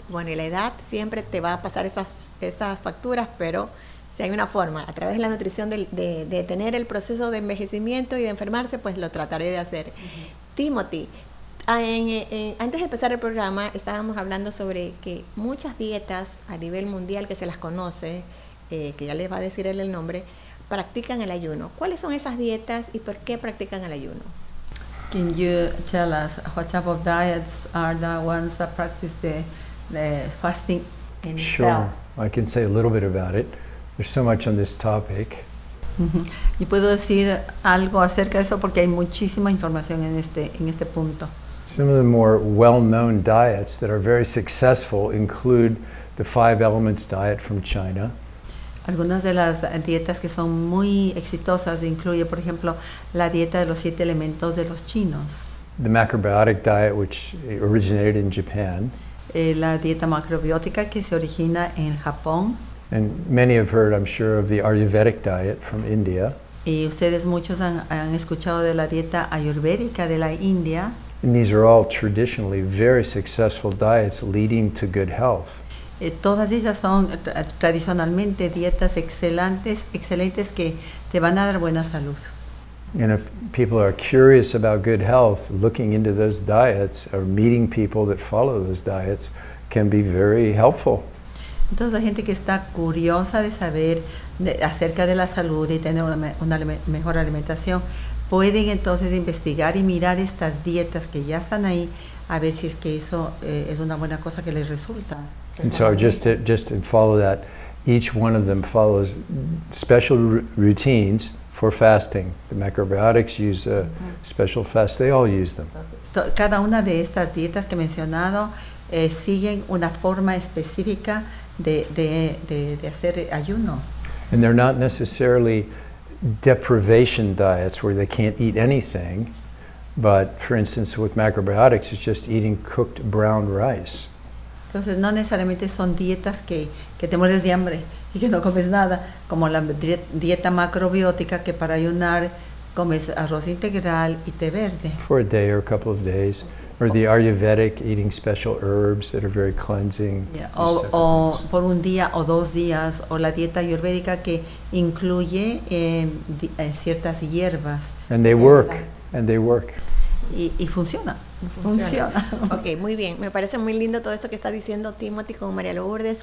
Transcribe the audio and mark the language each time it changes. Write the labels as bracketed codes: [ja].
[es] Bueno, y la edad siempre te va a pasar esas facturas, pero si hay una forma, a través de la nutrición de detener el proceso de envejecimiento y de enfermarse, pues lo trataré de hacer. Timothy, antes de empezar el programa estábamos hablando sobre que muchas dietas a nivel mundial que se las conoce, que ya les va a decir él el nombre, practican el ayuno. ¿Cuáles son esas dietas y por qué practican el ayuno? [en] Can you tell us what type of diets are the ones that practice the fasting in itself? Sure, I can say a little bit about it. There's so much on this topic. [es] Y puedo decir algo acerca de eso porque hay muchísima información en este punto. [en] Some of the more well-known diets that are very successful include the Five Elements diet from China. [es] Algunas de las dietas que son muy exitosas incluye, por ejemplo, la dieta de los siete elementos de los chinos. [en] The macrobiotic diet, which originated in Japan. [es] La dieta macrobiótica que se origina en Japón. [en] And many have heard, I'm sure, of the Ayurvedic diet from India. [es] Y ustedes muchos han escuchado de la dieta ayurvédica de la India. [en] And these are all traditionally very successful diets leading to good health. [es] Todas ellas son tradicionalmente dietas excelentes, excelentes que te van a dar buena salud. [en] And if people are curious about good health, looking into those diets or meeting people that follow those diets can be very helpful. [es] Entonces, la gente que está curiosa de saber acerca de la salud y tener mejor alimentación, pueden entonces investigar y mirar estas dietas que ya están ahí, a ver si es que eso es una buena cosa que les resulta. [en] And so just to follow that, each one of them follows special routines for fasting. The macrobiotics use a special fast. They all use them. [es] Cada una de estas dietas que he mencionado siguen una forma específica de hacer ayuno. [en] And they're not necessarily deprivation diets where they can't eat anything. But for instance, with macrobiotics, it's just eating cooked brown rice. [es] Entonces, no necesariamente son dietas que te mueres de hambre y que no comes nada, como la dieta macrobiótica que para ayunar comes arroz integral y té verde. [en] For a day or a couple of days, or the Ayurvedic eating special herbs that are very cleansing, these type of [es] O por un día o 2 días, o la dieta ayurvédica que incluye ciertas hierbas. [en] And they work, and they work. [es] Y funciona, Funciona. Ok, muy bien. Me parece muy lindo todo esto que está diciendo Timothy con María Lourdes.